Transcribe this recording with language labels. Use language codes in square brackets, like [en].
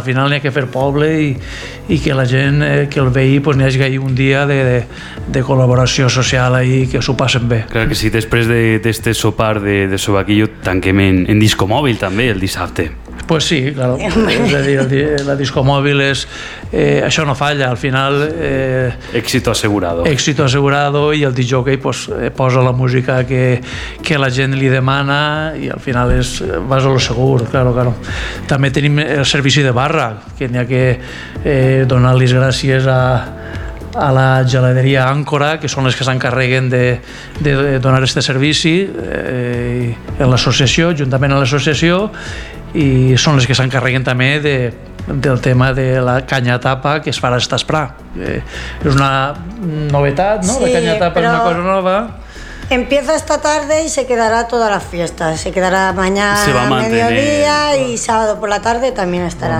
[ca] Al final n'hi ha que fer poble i que la gent, que el veí, pues, n'hi hagi un dia de col·laboració social i que s'ho passen bé. Clar que sí, després d'este sopar de sobaquillo tanquem en discomòbil també el dissabte. Pues sí, claro, és a dir, la discomòbil és, això no falla, al final... [es] Éxito asegurado, [ca] i el DJ, pues, posa la música que la gent li demana, i al final és, vas a lo segur, claro, claro. També tenim el servici de barra, que n'hi ha que donar-li gràcies a la geladeria Àncora, que són les que s'encarreguen de donar este servici en l'associació, juntament amb l'associació, i són les que s'encarreguen també del tema de la canya tapa que es farà esta esprà. És una novetat, no? Sí, la canya tapa és una cosa nova. [es] Empieza esta tarde y se quedará toda la fiesta. Se quedará mañana, se va a mantener, mediodía, y sábado por la tarde también estará.